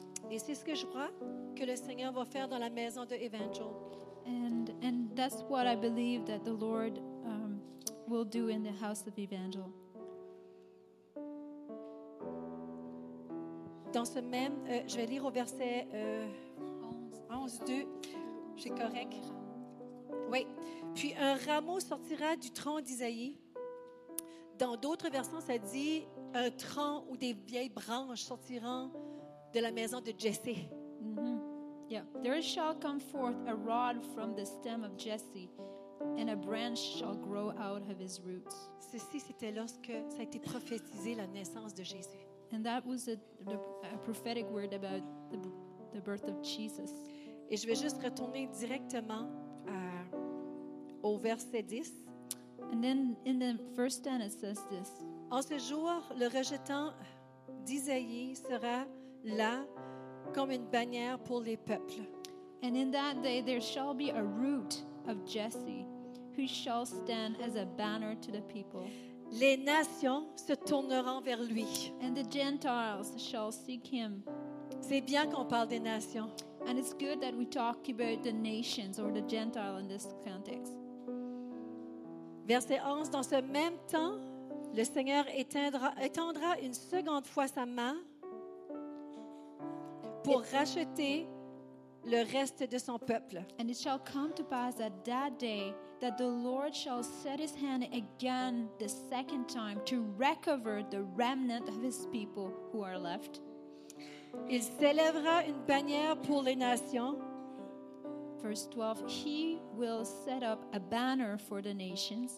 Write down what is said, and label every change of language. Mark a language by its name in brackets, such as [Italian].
[French] Et c'est ce que je crois que le Seigneur va faire dans la maison de Evangel. [English] And that's what I believe that the Lord will do in the house of Evangel. [French] Dans ce même, je vais lire au verset 11-2. C'est correct. Oui. Puis un rameau sortira du tronc d'Isaïe. Dans d'autres versions, ça dit un tronc ou des vieilles branches sortiront de la maison de Jesse. Mm-hmm. Yeah. [English] There shall come forth a rod from the stem of Jesse, and a branch shall grow out of his roots. [French] Ceci, c'était lorsque ça a été prophétisé la naissance de Jésus. [English] And that was a prophetic word about the birth of Jesus. [French] Et je vais juste retourner directement au verset 10. [English] And then in the first 10 it says this. [French] En ce jour, le rejetant d'Isaïe sera là comme une bannière pour les peuples. [English] And in that day there shall be a root of Jesse who shall stand as a banner to the people. [French] Les nations se tourneront vers lui. [English] And the Gentiles shall seek him. [French] C'est bien qu'on parle des nations. [English] And it's good that we talk about the nations or the Gentile in this context. [French] Verset 11, dans ce même temps, le Seigneur étendra une seconde fois sa main pour racheter le reste de son peuple. [English] And it shall come to pass at that day that the Lord shall set his hand again the second time to recover the remnant of his people who are left. [French] Il s'élèvera une bannière pour les nations. [English] Verse 12, he will set up a banner for the nations.